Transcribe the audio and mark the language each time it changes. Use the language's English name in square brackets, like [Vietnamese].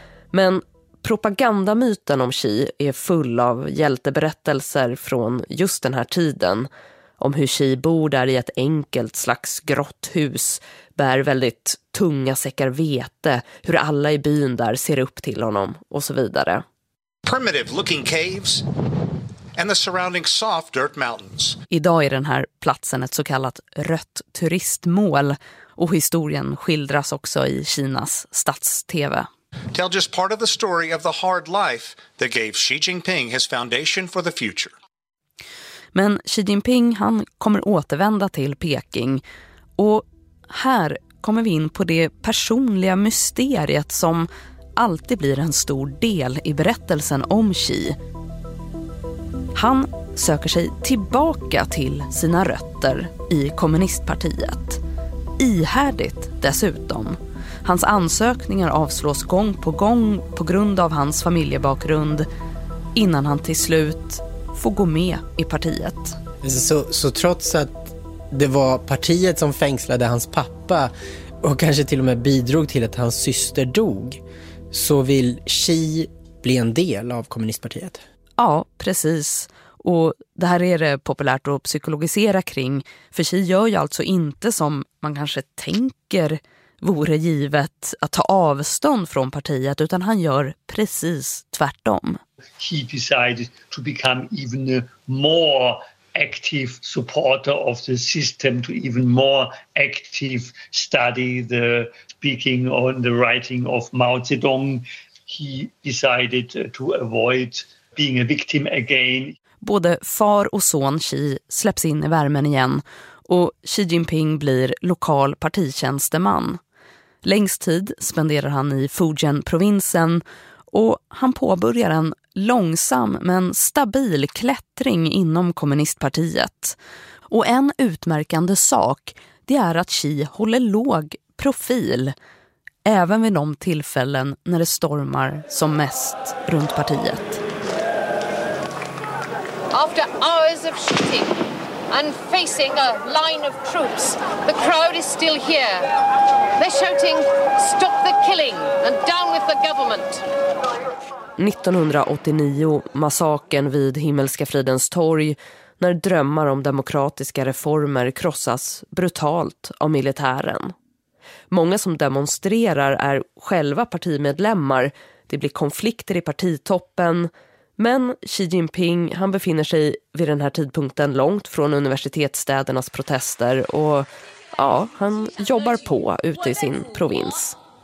[Swedish] Men propagandamyten om Xi är full av hjälteberättelser från just den här tiden, om hur Xi bor där i ett enkelt slags grotthus, bär väldigt tunga säckar vete, hur alla i byn där ser upp till honom och så vidare. [English] Primitive looking caves and the surrounding soft dirt mountains. [Swedish] Idag är den här platsen ett så kallat rött turistmål och historien skildras också i Kinas stats-TV. [English] Tell just part of the story of the hard life that gave Xi Jinping his foundation for the future. [Swedish] Men Xi Jinping, han kommer återvända till Peking och här kommer vi in på det personliga mysteriet som alltid blir en stor del i berättelsen om Xi. Han söker sig tillbaka till sina rötter i kommunistpartiet. Ihärdigt dessutom. Hans ansökningar avslås gång på gång på grund av hans familjebakgrund innan han till slut får gå med i partiet. Så trots att det var partiet som fängslade hans pappa och kanske till och med bidrog till att hans syster dog, så vill Xi bli en del av kommunistpartiet? Ja, precis. Och det här är det populärt att psykologisera kring. För Xi gör ju alltså inte som man kanske tänker vore givet att ta avstånd från partiet, utan han gör precis tvärtom. [English] He decided to become even more active supporter of the system, to even more active study the speaking on the writing of Mao Zedong. He decided to avoid being a victim again. [Swedish] Både far och son Xi släpps in i värmen igen och Xi Jinping blir lokal partitjänsteman. Längst tid spenderar han i Fujian-provinsen och han påbörjar en långsam men stabil klättring inom kommunistpartiet. Och en utmärkande sak, det är att Xi håller låg profil även vid de tillfällen när det stormar som mest runt partiet. [English] After hours of shooting and facing a line of troops, the crowd is still here. They're shouting stop the killing and down with the government. [Swedish] 1989, massaken vid Himmelska fridens torg, när drömmar om demokratiska reformer krossas brutalt av militären. Många som demonstrerar är själva partimedlemmar, det blir konflikter i partitoppen, men Xi Jinping, han befinner sig vid den här tidpunkten långt från universitetsstädernas protester och ja, han jobbar på ute i sin provins.